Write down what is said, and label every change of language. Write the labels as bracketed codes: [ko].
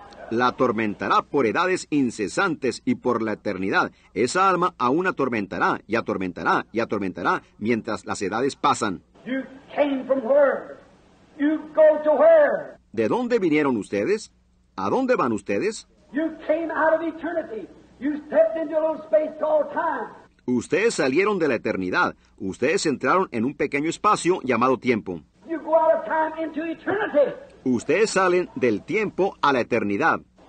[es] La atormentará por edades incesantes y por la eternidad. Esa alma aún atormentará y atormentará y atormentará mientras las edades pasan. [en] You came from where? You go to where? [es] ¿De dónde vinieron ustedes? ¿A dónde van ustedes? [en] You came out of eternity. You stepped into a little space called time. [es] Ustedes salieron de la eternidad. Ustedes entraron en un pequeño espacio llamado tiempo. [en] You go out of time into eternity. [es] Ustedes salen del tiempo a la eternidad.